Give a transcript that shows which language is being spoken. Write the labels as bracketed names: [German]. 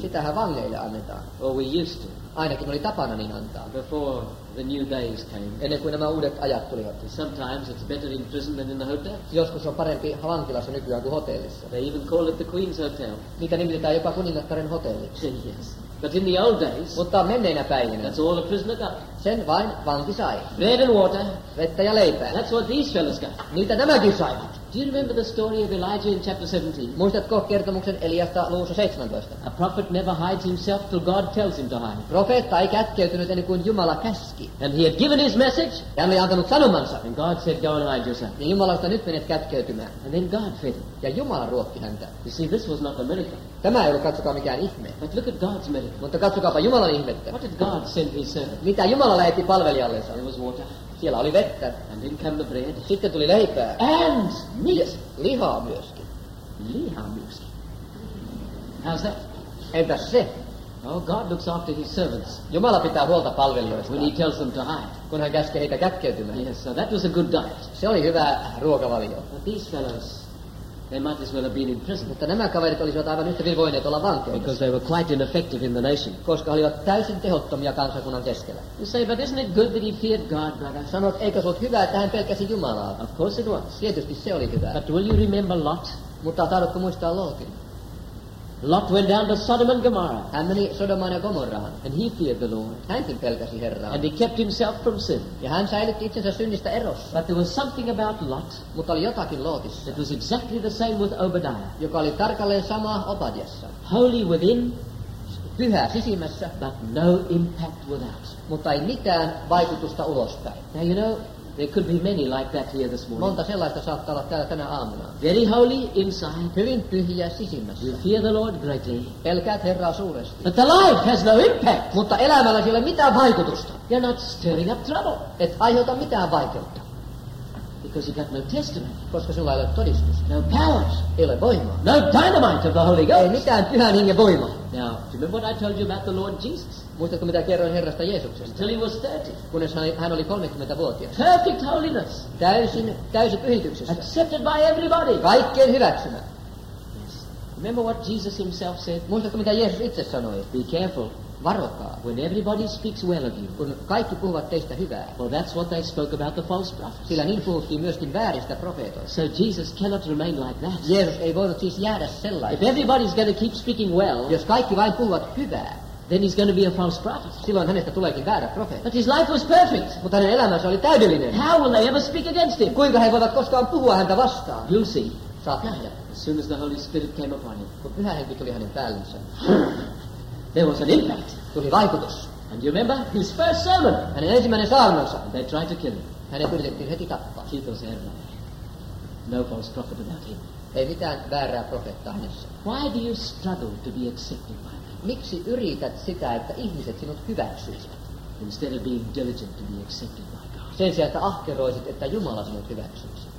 [Finnish] Sitähän vangeille annetaan. [English] Or we used to. [Finnish] Ainakin oli tapana niin antaa. [English] Before the new days came. [Finnish] Ennen kuin nämä uudet ajat tulivat. [English] Sometimes it's better in prison than in the hotel. [Finnish] Joskus on parempi vankilassa nykyään kuin hotellissa. [English] They even call it the Queen's Hotel. [Finnish] Niitä nimitetään jopa kuningattaren hotelliksi. [English] Yes. But in the old days, [Finnish] mutta menneinä päivinä, [English] that's all a prisoner got. [Finnish] Sen vain vanki sai. [English] Bread and water. [Finnish] Vettä ja leipää. [English] That's what these fellows got. [Finnish] Niitä nämäkin saivat. [English] Do you remember the story of Elijah in chapter 17? [Finnish] Muistatko kertomuksen Eliasta luvussa 17? [English] A prophet never hides himself till God tells him to hide. [Finnish] Profeetta ei kätkeytynyt ennen kuin Jumala käski. [English] And he had given his message. [Finnish] Ja hän oli antanut sanomansa. [English] And God said, go and hide yourself. [Finnish] Ja Jumala sanoi, nyt menet kätkeytymään. [English] And then God fed him. [Finnish] Ja Jumala ruokki häntä. [English] You see, this was not a miracle. [Finnish] Tämä ei ollut, katsokaa, mikään ihme. [English] But look at God's miracle. [Finnish] Mutta katsokaapa Jumalan ihmettä. [English] What did God send his servant? [Finnish] Mitä Jumala lähetti palvelijallensa? [English] It was water. [Finnish] Siellä oli vettä. [English] And then came the bread. [Finnish] Sitten tuli leipää. [English] And meat. Yes, [Finnish] lihaa myöskin. Lihaa myöskin. [English] How's that? [Finnish] Entä se? [English] Oh, God looks after his servants. [Finnish] Jumala pitää huolta palvelijoista. [English] When he tells them to hide. [Finnish] Kun hän käskee heitä kätkeytymään. [English] Yes, so that was a good diet. [Finnish] Se oli hyvä ruokavalio. [English] But these fellows, they might as well have been in prison. [Finnish] Mutta nämä kaverit olisivat aivan yhtä hyvin voineet olla vankeudessa. [English] Because they were quite ineffective in the nation. [Finnish] Koska he olivat täysin tehottomia kansakunnan keskellä. [English] You say, but isn't it good that he feared God, brother? [Finnish] Sanot, eikö se ollut hyvä, että hän pelkäsi Jumalaa? [English] Of course it was. [Finnish] Tietysti se oli hyvä. [English] But will you remember Lot? [Finnish] Mutta tahdotko muistaa Lotin? [English] Lot went down to Sodom and Gomorrah. [Finnish] Hän meni Sodomaan ja Gomorrahan. [English] And he feared the Lord. [Finnish] Hänkin pelkäsi Herraa. [English] And he kept himself from sin. [Finnish] Ja hän säilytti itsensä synnistä erossa. [English] But there was something about Lot. [Finnish] Mutta oli jotakin Lotissa. [English] It was exactly the same with Obadiah. [Finnish] Joka oli tarkalleen sama Obadiassa. [English] Holy within. [Finnish] Pyhä sisimmässä. [English] But no impact without. [Finnish] Mutta ei mitään vaikutusta ulospäin. [English] Now you know, there could be many like that here this morning. [Finnish] Monta sellaista saattaa olla täällä tänä aamuna. [English] Very holy inside. [Finnish] Hyvin pyhiä sisimmässä. [English] You fear the Lord greatly. [Finnish] Pelkäät Herraa suuresti. [English] But the life has no impact. [Finnish] Mutta elämällä ei ole mitään vaikutusta. [English] You're not stirring up trouble. [Finnish] Et aiheuta mitään vaikeutta. [English] Because you got no testament. [Finnish] Koska sulla ei ole todistusta. [English] No powers. [Finnish] Ei ole voimaa. [English] No dynamite of the Holy Ghost. [Finnish] Ei mitään pyhän hengen voimaa. [English] Now, do you remember what I told you about the Lord Jesus? [Finnish] Muistatko, mitä kerroin Herrasta Jeesuksesta? [English] Until he was 30. [Finnish] Kunnes hän oli 30-vuotias. [English] Perfect holiness. [Finnish] Täysi pyhityksessä. [English] Accepted by everybody. [Finnish] Kaikkien hyväksymä. [English] Yes. Remember what Jesus himself said? [Finnish] Muistatko, mitä Jeesus itse sanoi? [English] Be careful. [Finnish] Varokaa. [English] When everybody speaks well of you. [Finnish] Kun kaikki puhuvat teistä hyvää. [English] Well, that's what they spoke about the false prophets. [Finnish] Sillä niin puhuttiin myöskin vääristä profeetoista. [English] So Jesus cannot remain like that. [Finnish] Jeesus ei voinut siis jäädä sellaisen. [English] If everybody's going to keep speaking well. [Finnish] Jos kaikki vain puhuvat hyvää. [English] Then he's going to be a false prophet. [Finnish] Silloin hänestä tuleekin väärä profeetta. [English] But his life was perfect. [Finnish] Mutta hänen elämänsä oli täydellinen. [English] How will they ever speak against him? [Finnish] Kuinka he voivat koskaan puhua häntä vastaan? [English] You'll see. [Finnish] Saat nähdä. [English] As soon as the Holy Spirit came upon him. [Finnish] Kun Pyhä Henki tuli hänen päällensä. [English] There was an impact. [Finnish] Tuli vaikutus. [English] And you remember his first sermon. [Finnish] Hänen ensimmäinen saarnansa. [English] And they tried to kill him. [Finnish] Hänet yritettiin heti tappaa. Kiitos Herra. [English] No false prophet about him. [Finnish] Ei mitään väärää profeetta hänessä. [English] Why do you struggle to be accepted by? [Finnish] Miksi yrität sitä, että ihmiset sinut hyväksyisivät? [English] Instead of being diligent to be accepted by God. [Finnish] Sen sijaan, että ahkeroisit, että Jumala sinut hyväksyisi.